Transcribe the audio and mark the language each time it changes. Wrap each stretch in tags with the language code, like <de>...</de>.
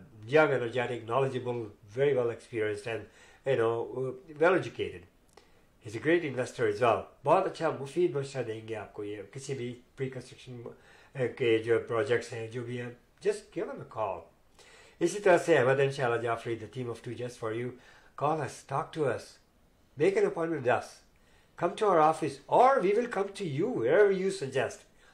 <en>Young, energetic, knowledgeable, very well experienced, and you know, well educated. He's a great investor as well.</en> <hi>बहुत अच्छा मुफीद मशवरा देंगे आपको ये किसी भी प्री कंस्ट्रक्शन के जो प्रोजेक्ट्स हैं जो भी हैं.</hi> <en>Just give him a call.</en> <hi>इसी तरह से Ahmad and Shahla Jafri,</hi> <en>the team of two just for you. Call us, talk to us, make an appointment with us. Come to our office, or we will come to you wherever you suggest.</en>